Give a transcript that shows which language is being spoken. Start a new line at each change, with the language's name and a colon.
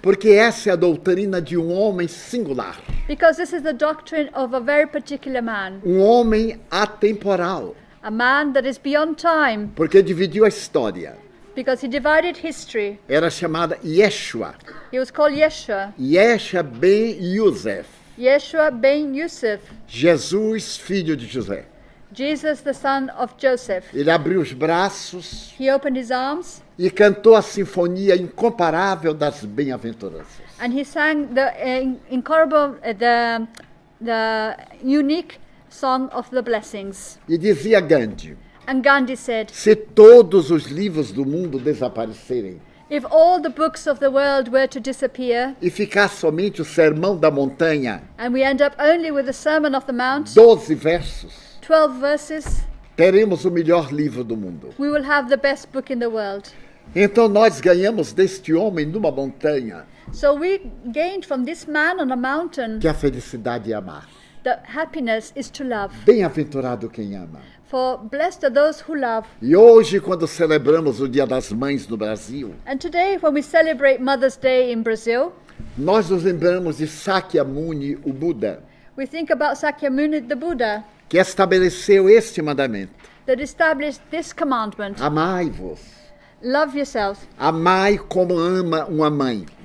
Portuguese: Porque essa é a doutrina de um homem singular.
English: Because this is the doctrine of a very particular man.
Portuguese: Um homem atemporal.
English: A man that is beyond time.
Portuguese: Porque dividiu a história.
English: Because he divided history.
Portuguese: Era chamada Yeshua.
English: He was called Yeshua.
Portuguese: Yeshua ben Yosef.
English: Yeshua ben Yosef.
Portuguese: Jesus, filho de José.
English: Jesus, the son of Joseph.
Portuguese: Ele abriu os braços.
English: He opened his arms.
Portuguese: E cantou a sinfonia incomparável das bem-aventuranças.
English: And he sang the unique song of the blessings.
Portuguese: E dizia Gandhi.
English: And Gandhi said,
Portuguese: se todos os livros do mundo desaparecerem,
English: if all the books of the world were to disappear,
Portuguese: e ficar somente o sermão da montanha,
English: and we end up only with the sermon of the mount,
Portuguese: 12 versos,
English: 12 verses,
Portuguese: teremos o melhor livro do mundo.
English: We will have the best book in the world.
Portuguese: Então nós ganhamos deste homem numa montanha.
English: So we gained from this man on a mountain.
Portuguese: Que a felicidade é amar.
English: That happiness is to love.
Portuguese: Bem-aventurado quem ama.
English: For blessed are those who love.
Portuguese: E hoje quando celebramos o Dia das Mães no Brasil.
English: And today when we celebrate Mother's Day in Brazil.
Portuguese: Nós nos lembramos de Sakyamuni, o Buda.
English: We think about Sakyamuni, the Buddha.
Portuguese: Que estabeleceu este mandamento.
English: That established this commandment.
Portuguese: Amai-vos.
English: Love yourselves.
Portuguese: Amai como ama uma mãe.